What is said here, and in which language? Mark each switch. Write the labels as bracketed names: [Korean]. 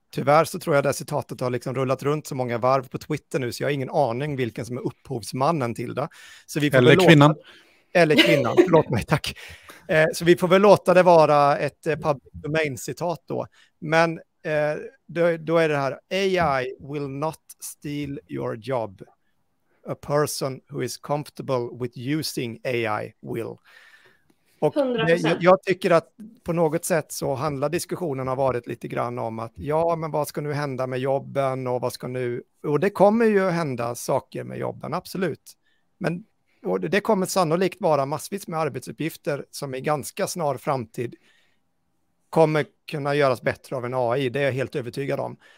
[Swedish] Tyvärr så tror jag det citatet har liksom rullat runt så många varv på Twitter nu, så jag har ingen aning vilken som är upphovsmannen till det. Så vi får eller väl kvinnan. Låta... Eller kvinnan, förlåt mig, tack. Så vi får väl låta det vara ett public domain-citat då. Men då är det här, [English] AI will not steal your job. A person who is comfortable with using AI will. [Swedish] Och jag tycker att på något sätt så handlar diskussionen har varit lite grann om att ja, men vad ska nu hända med jobben och vad ska nu... Och det kommer ju hända saker med jobben, absolut. Men det kommer sannolikt vara massvis med arbetsuppgifter som i ganska snar framtid kommer kunna göras bättre av en AI, det är jag helt övertygad om.